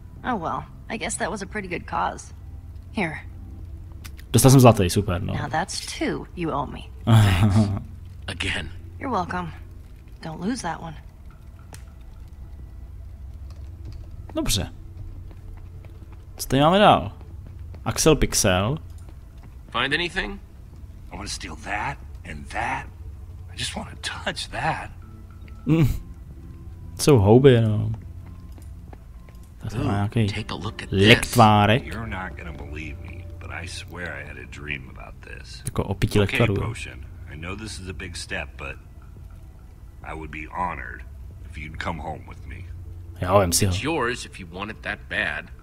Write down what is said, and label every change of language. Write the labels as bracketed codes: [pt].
[en] Oh well, I guess that was a pretty good cause. Here. [cs] Dostal jsem zlatý, super, no. [en] Now that's two you owe me. Thanks. Again. You're welcome. Don't lose that one. [cs] Dobře. Co tady máme dál? Axel Pixel. [en] Find anything? I want to steal that and that. I just want to touch that. [cs] Co houby jenom. Tak to má nějaký lektvárek. [en] You're not gonna believe me, but I swear I had a dream about this. [cs] Jako opití lektvaru. [en] Okay, potion. I know this is a big step, but I would be honored if you'd come home with me. [cs] Jo, vem si ho. [en] It's yours if you want it that bad.